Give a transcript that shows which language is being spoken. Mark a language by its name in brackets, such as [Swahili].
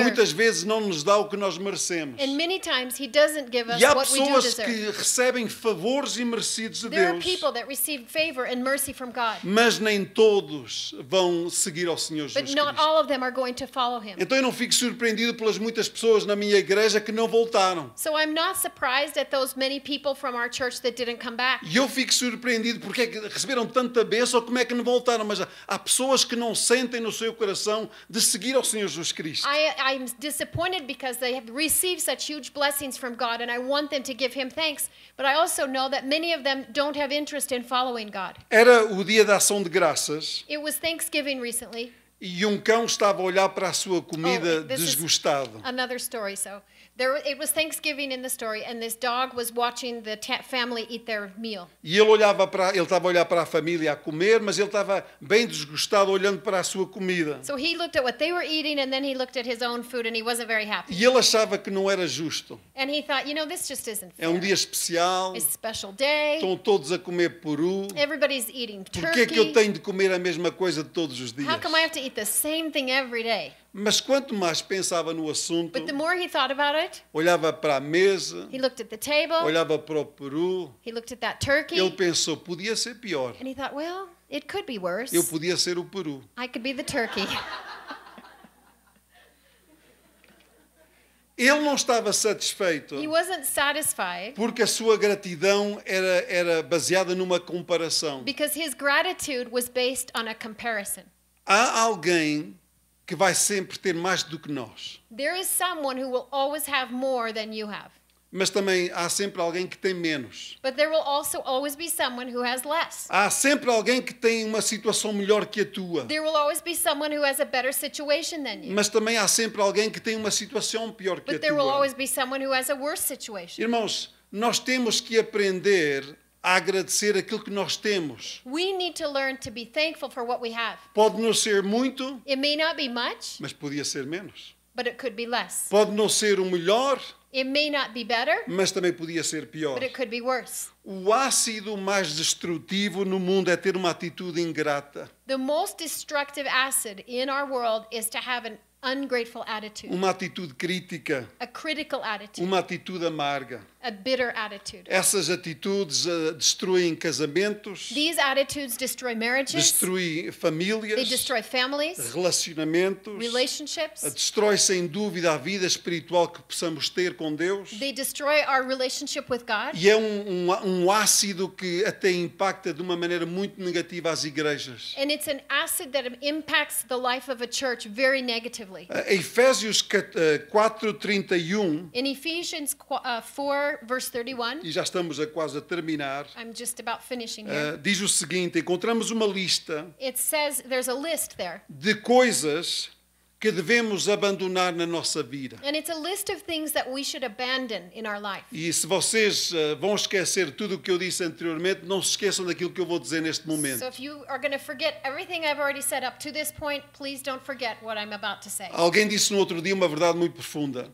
[Portuguese] E muitas vezes não nos dá o que nós merecemos. [English] And many times he doesn't give us what we do deserve. [Portuguese] E há pessoas que recebem favores imerecidos de Deus. [English] There are people that receive favor and mercy from God. [Portuguese] Mas nem todos vão seguir ao Senhor Jesus [English] Cristo. But not all of them are going to follow him. [Portuguese] Então eu não fico surpreendido pelas muitas pessoas na minha igreja que não voltaram. [English] So I'm not surprised at those many people from our church that didn't come back. [Portuguese] E eu fico surpreendido porque é que receberam tanto da bênção, como é que não voltaram, mas há pessoas que não sentem no seu coração de seguir ao Senhor Jesus Cristo. [English] I'm disappointed because they have received such huge blessings from God and I want them to give him thanks, but I also know that many of them don't have interest in following God. [Portuguese] Era o dia da ação de graças. [English] It was Thanksgiving recently. [Portuguese] E um cão estava a olhar para a sua comida desgostado. [English] Another story, so there, it was Thanksgiving in the story, and this dog was watching the family eat their meal. [Portuguese] E ele olhava para, ele estava a olhar para a família a comer, mas ele estava bem desgostado olhando para a sua comida. [English] So he looked at what they were eating, and then he looked at his own food, and he wasn't very happy. [Portuguese] E ele achava que não era justo. [English] And he thought, you know, this just isn't fair. [Portuguese] É um dia especial. [English] It's a special day. [Portuguese] Estão todos a comer peru. [English] Everybody's eating turkey. [Portuguese] Porque é que eu tenho de comer a mesma coisa todos os dias? [English] How come I have to eat the same thing every day? [Portuguese] Mas quanto mais pensava no assunto, [English] but the more he thought about it, [Portuguese] olhava para a mesa, [English] he looked at the table, [Portuguese] olhava para o peru, [English] he looked at that turkey, [Portuguese] ele pensou, podia ser pior. [English] And he thought, well, it could be worse. [Portuguese] Eu podia ser o peru. [English] I could be the turkey. [Portuguese] Ele não estava satisfeito. [English] He wasn't satisfied. [Portuguese] Porque a sua gratidão era baseada numa comparação. [English] Because his gratitude was based on a comparison. [Portuguese] Há alguém que vai sempre ter mais do que nós. [English] There is someone who will always have more than you have. [Portuguese] Mas também há sempre alguém que tem menos. [English] But there will also always be someone who has less. [Portuguese] Há sempre alguém que tem uma situação melhor que a tua. [English] There will always be someone who has a better situation than you. [Portuguese] Mas também há sempre alguém que tem uma situação pior que [English] But there will always be someone who has a worse situation. [Portuguese] Irmãos, nós temos que aprender a agradecer aquilo que nós temos. [English] We need to learn to be thankful for what we have. [Portuguese] Pode não ser muito. [English] It may not be much. [Portuguese] Mas podia ser menos. [English] But it could be less. [Portuguese] Pode não ser o melhor. [English] It may not be better. [Portuguese] Mas também podia ser pior. [English] But it could be worse. [Portuguese] O ácido mais destrutivo no mundo é ter uma atitude ingrata. [English] The most destructive acid in our world is to have an ungrateful attitude. [Portuguese] Uma atitude crítica. [English] A critical attitude. [Portuguese] Uma atitude amarga. [English] A bitter attitude. [Portuguese] Essas atitudes destroem casamentos. [English] These attitudes destroy marriages. [Portuguese] Destrói famílias. [English] They destroy families. [Portuguese] Relacionamentos. [English] Relationships. [Portuguese] Destrói sem dúvida a vida espiritual que possamos ter com Deus. [English] They destroy our relationship with God. [Portuguese] E é um ácido que até impacta de uma maneira muito negativa as igrejas. [English] And it's an acid that impacts the life of a church very negatively. [Portuguese] Efésios 4:31. [English] In Ephesians 4:31. [Portuguese] E já estamos a quase a terminar. [English] I'm just about finishing here. [Portuguese] Diz o seguinte, encontramos uma lista. [English] It says there's a list there. [Portuguese] De coisas que devemos abandonar na nossa vida. [English] And it's a list of things that we should abandon in our life. [Portuguese] E se vocês vão esquecer tudo o que eu disse anteriormente, não se esqueçam daquilo que eu vou dizer neste momento. [English] So if you are going to forget everything I've already said up to this point, please don't forget what I'm about to say. [Portuguese] Alguém disse no outro dia uma verdade muito profunda.